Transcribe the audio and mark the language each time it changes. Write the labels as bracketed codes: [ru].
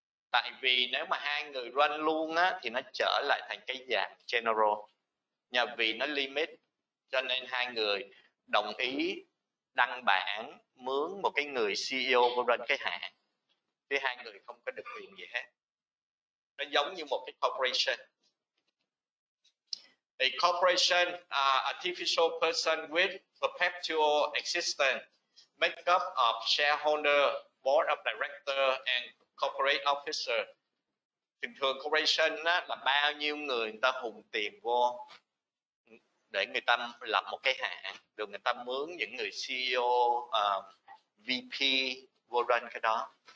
[vi] Tại vì nếu mà hai người run luôn á thì nó trở lại thành cái dạng general. Nhờ vì nó limit cho nên hai người đồng ý đăng bản mướn một cái người CEO của run cái hãng. Thì hai người không có được quyền gì hết. Nó giống như một cái corporation. [en] A corporation, artificial person with perpetual existence, make up of shareholder, board of director and corporate officer. [vi] Thường thường corporation á, là bao nhiêu người người ta hùng tiền vô để người ta lập một cái hãng, rồi người ta mướn những người CEO, VP vô run cái đó.